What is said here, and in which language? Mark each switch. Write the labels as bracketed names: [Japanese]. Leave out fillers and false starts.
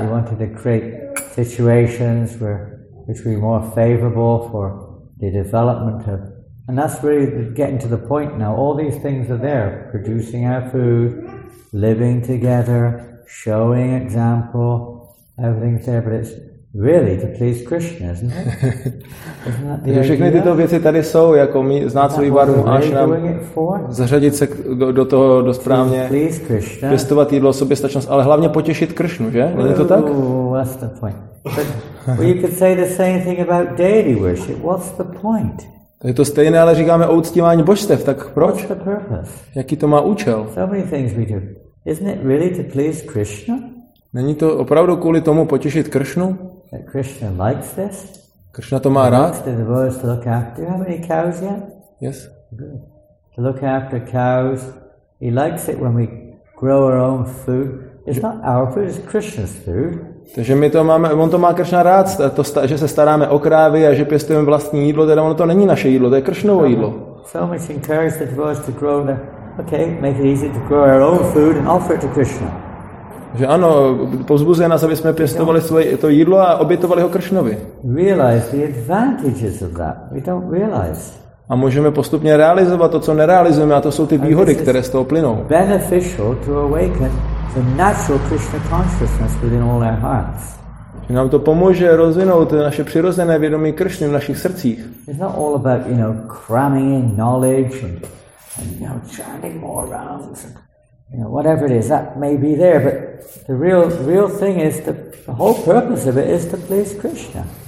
[English] He wanted to create situations where which would be more favorable for the development of. And that's really getting to the point now. All these things are there, producing our food, living together, showing example, everything's there, but it's really to please Krishna, isn't it? Isn't [Czech] všechny tyto věci tady jsou, jako mít znát svůj varmu ašram, zařadit se do toho do správně, pěstovat jídlo, soběstačnost, ale hlavně potěšit Krishnu, že? Není to tak? [English] That's the point. But you could say the same thing about deity worship. What's the point? [Czech] To je to stejné, ale říkáme o uctívání božstev, tak proč? [English] What's the purpose? [Czech] Jaký to má účel? [English] So many things we do. Isn't it really to please Krishna? [Czech] Není to opravdu kvůli tomu potěšit Krishnu? [English] That Krishna likes this? [Czech] Krishna to má [English] he [Czech] rád? [English] The devotees to look after. Do you have any cows yet? Yes. Good. To look after cows. He likes it when we grow our own food. It's not our food, it's Krishna's food. [Czech] Takže my to máme, on to má Krishna rád, to, že se staráme o krávy a že pěstujeme vlastní jídlo, teda ono to není naše jídlo, to je Krishnovo jídlo. [English] So much encourage the devotees to grow the, okay, make it easy to grow our own food and offer it to Krishna. [Czech] Že ano, povzbuzuje nás, aby jsme pěstovali svoje to jídlo a obětovali ho Krishnovi. [English] Realize the advantages of that. We don't realize. [Czech] A můžeme postupně realizovat to, co nerealizujeme, a to jsou ty výhody, které z toho plynou. [English] Beneficial to awaken the natural Krishna consciousness within all our hearts. [Czech] Že nám to pomůže rozvinout naše přirozené vědomí Krishny v našich srdcích. [English] It's not all about, you know, cramming in knowledge and you know, chanting more rounds and you know, whatever it is, that may be there, but the real thing is the whole purpose of it is to please Krishna.